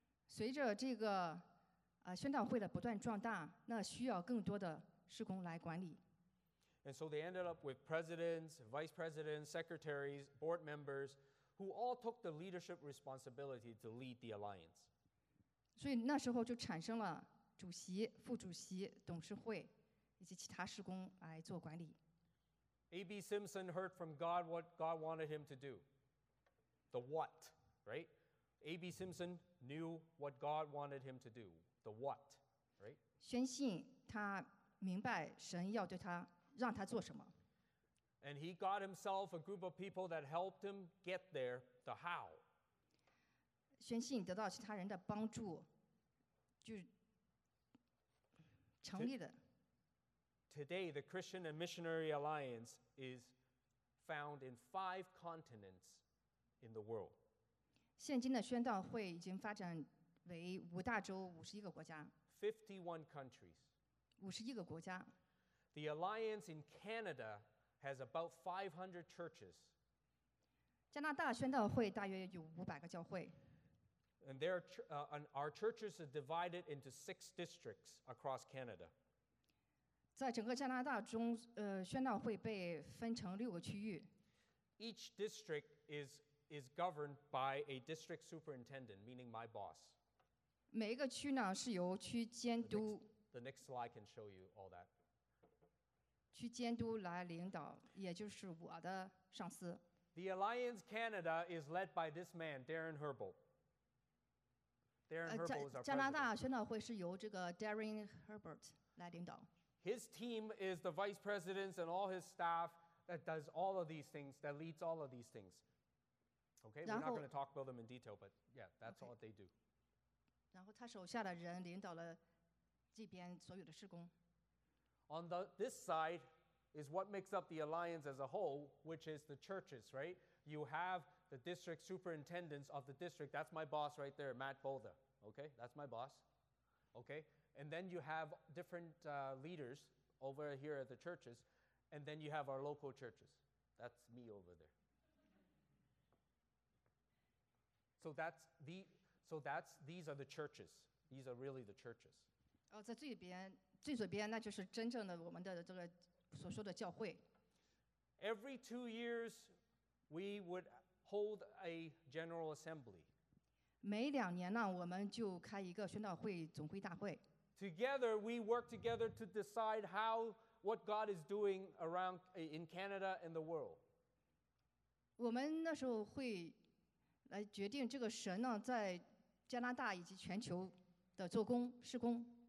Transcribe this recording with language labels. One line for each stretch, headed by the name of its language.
Chinese: 随着这个宣道会的不断壮大，那需要更多的事工来管理。
English: And so they ended up with presidents, vice presidents, secretaries, board members, who all took the leadership responsibility to lead the alliance.
Chinese: 所以那时候就产生了主席、副主席、董事会以及其他事工来做管理。
English: A.B. Simpson heard from God what God wanted him to do. The what, right? A.B. Simpson knew what God wanted him to do, the what, right?
Chinese: 宣信他明白神要对他让他做什么。
English: And he got himself a group of people that helped him get there, the how.
Chinese: 宣信得到其他人的帮助，就成立的。
English: Today, the Christian and Missionary Alliance is found in 5 continents in the world.
Chinese: 现今的宣道会已经发展为五大洲五十一个国家。
English: 51 countries.
Chinese: 五十一个国家。
English: The Alliance in Canada has about 500 churches.
Chinese: 加拿大宣道会大约有五百个教会。
English: And there are, and our churches are divided into 6 districts across Canada.
Chinese: 在整个加拿大中，宣道会被分成六个区域。
English: Each district is governed by a district superintendent, meaning my boss.
Chinese: 每一个区呢是由区监督。
English: The next slide can show you all that.
Chinese: 区监督来领导，也就是我的上司。
English: The Alliance Canada is led by this man, Darren Herbel. Darren Herbel is our president.
Chinese: 加拿大宣道会是由这个 Darren Herbert 来领导。
English: His team is the vice presidents and all his staff that does all of these things, that leads all of these things. Okay, we're not going to talk about them in detail, but yeah, that's all they do.
Chinese: 然后他手下的人领导了这边所有的事工。
English: On this side is what makes up the alliance as a whole, which is the churches, right? You have the district superintendents of the district. That's my boss right there, Matt Boulder. Okay, that's my boss. Okay. And then you have different leaders over here at the churches, and then you have our local churches. That's me over there. These are the churches. These are really the churches.
Chinese: 在最边，最左边，那就是真正的我们的这个所说的教会。
English: Every 2 years, we would hold a general assembly.
Chinese: 每两年呢，我们就开一个宣道会总会大会。
English: Together, we work together to decide how what God is doing around in Canada and the world.
Chinese: 我们那时候会来决定这个神呢在加拿大以及全球的做工事工。